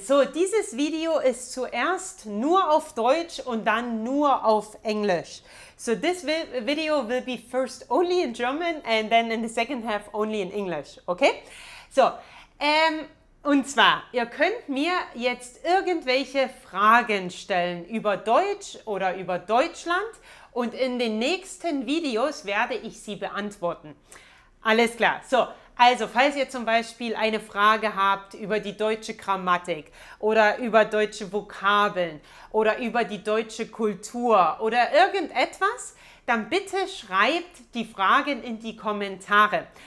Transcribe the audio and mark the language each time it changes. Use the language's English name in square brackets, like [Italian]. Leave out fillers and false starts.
[German] So, dieses Video ist zuerst nur auf Deutsch und dann nur auf Englisch. [English] So, this video will be first only in German and then in the second half only in English. Okay? [German] So, und zwar, ihr könnt mir jetzt irgendwelche Fragen stellen über Deutsch oder über Deutschland und in den nächsten Videos werde ich sie beantworten. Alles klar. So. Also, falls ihr zum Beispiel eine Frage habt über die deutsche Grammatik oder über deutsche Vokabeln oder über die deutsche Kultur oder irgendetwas, dann bitte schreibt die Fragen in die Kommentare.